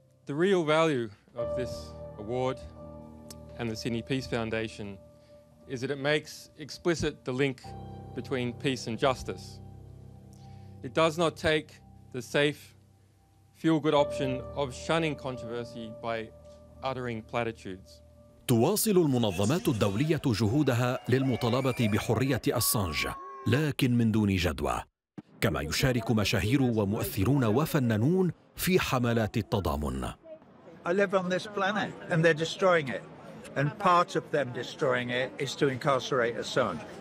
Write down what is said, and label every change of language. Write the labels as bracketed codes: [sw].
[en] The real value of this award and the Sydney Peace Foundation is that it makes explicit the link between peace and justice. It does not take the safe, feel-good option of shunning controversy by uttering platitudes. [ar] تواصل المنظمات الدولية جهودها للمطالبة بحرية أسانج، لكن من دون جدوى، كما يشارك مشاهير ومؤثرون وفنانون في حملات التضامن. [en] I live on this planet and they're destroying it. And part of them destroying it is to incarcerate Assange.